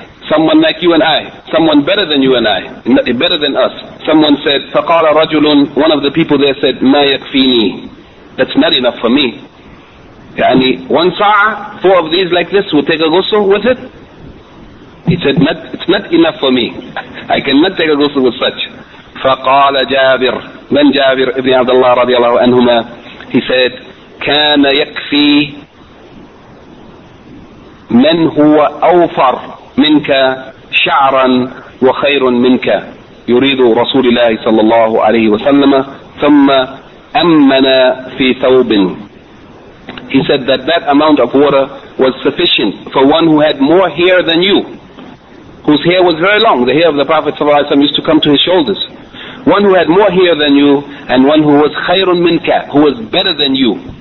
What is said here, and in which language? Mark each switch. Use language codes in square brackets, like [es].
[en] Someone like you and I, someone better than you and I, better than us, someone said, [ar] فَقَالَ رَجُلٌ, [en] one of the people there said, [ar] مَا يَكْفِينِي, [en] that's not enough for me. يعني, one sa'a, 4 of these like this, will take a ghusl with it? He said, it's not enough for me. I cannot take a ghusl with such. [ar] فَقَالَ جَابِرٌ, [en] then Jabir ibn Abdullah radiallahu anhuma, He said, [ar] كان يكفي من هو أوفر منك شعرا وخير منك. يريد رسول الله صلى الله عليه وسلم. ثم أمنا في ثوب. [en] He said that that amount of water was sufficient for one who had more hair than you, whose hair was very long. The hair of the Prophet صلى الله عليه وسلم used to come to his shoulders. One who had more hair than you, and one who was khayrun minka, who was better than you.